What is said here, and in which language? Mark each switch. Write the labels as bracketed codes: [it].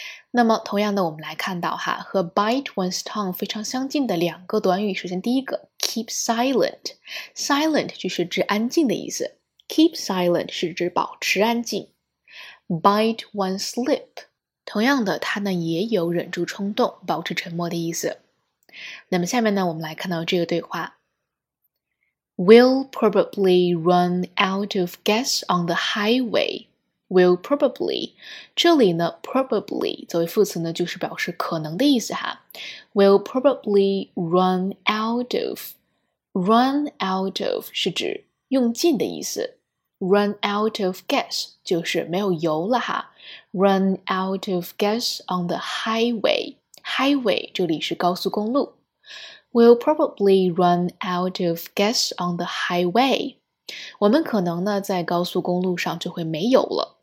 [zh] 那么同样的，我们来看到哈，和 bite one's tongue 非常相近的两个短语，首先第一个 keep silent， silent 就是指安静的意思， keep silent 是指保持安静。 [en] Bite one's lip. [zh] 同样的，它呢也有忍住冲动，保持沉默的意思。那么下面呢，我们来看到这个对话。 [en] We'll probably run out of gas on the highway. We'll probably. [zh] 这里呢 probably 作为副词呢，就是表示可能的意思哈。 [en] We'll probably run out of. Run out of [zh] 是指用尽的意思。 [en] Run out of gas [zh] 就是没有油了哈。 [en] Run out of gas on the highway. [zh] Highway 这里是高速公路。 [en] We'll probably run out of gas on the highway. [zh] 我们可能呢在高速公路上就会没油了。